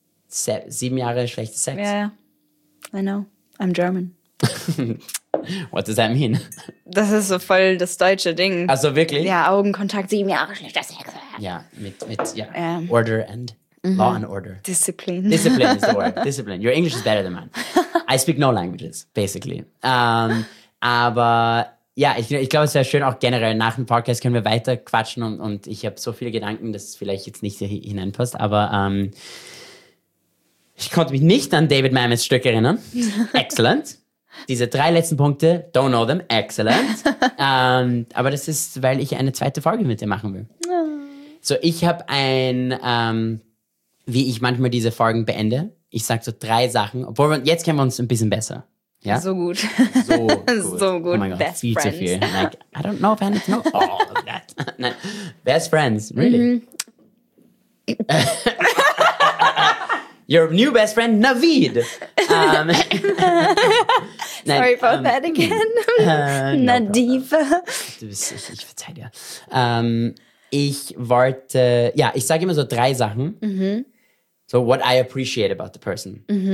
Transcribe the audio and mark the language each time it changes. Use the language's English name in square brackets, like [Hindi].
[German] 7 Jahre schlechtes Sex. [English] Ja. I know. I'm German. What does that mean? [German] Das ist so voll das deutsche Ding. Also wirklich? Ja, Augenkontakt, 7 Jahre schlechter Sex. Ja, mit [English] Order and Law and Order. Discipline. Discipline is the word. Discipline. Your English is better than mine. I speak no languages, basically. [German] Aber ja, ich glaube, es wäre schön, auch generell nach dem Podcast können wir weiter quatschen und ich habe so viele Gedanken, dass es vielleicht jetzt nicht hineinpasst, aber ich konnte mich nicht an David Mamets Stück erinnern. [English] Excellent. [German] Diese 3 letzten Punkte, [English] don't know them, excellent. [German] Aber das ist, weil ich eine 2. Folge mit dir machen will. So, ich habe ein, wie ich manchmal diese Folgen beende, ich sage so 3 Sachen, obwohl jetzt kennen wir uns ein bisschen besser. Ja? So gut. So gut. So gut. [English] Oh my God. Best viel friends. [German] Zu viel. [English] Like, I don't know if I need to know all of that. Nein. Best friends, really. Your new best friend, Navid. Sorry for that again. Nadeve. [German] Ich verzeih dir. Ich wollte, ich sage immer so 3 Sachen. [English] So, what I appreciate about the person.